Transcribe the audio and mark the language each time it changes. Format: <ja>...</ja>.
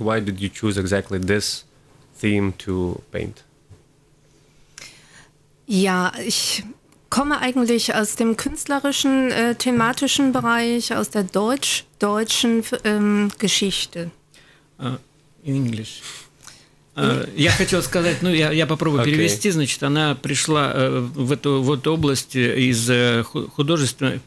<en>Why did you choose exactly this theme to paint?</en> <de>Ja, ich komme eigentlich aus dem künstlerischen, thematischen Bereich, aus der deutschen Geschichte.</de> <en>In English.</en> <ru>Я хотел сказать, ну, я попробую перевести, значит, она пришла в эту вот область из художественной...</ru>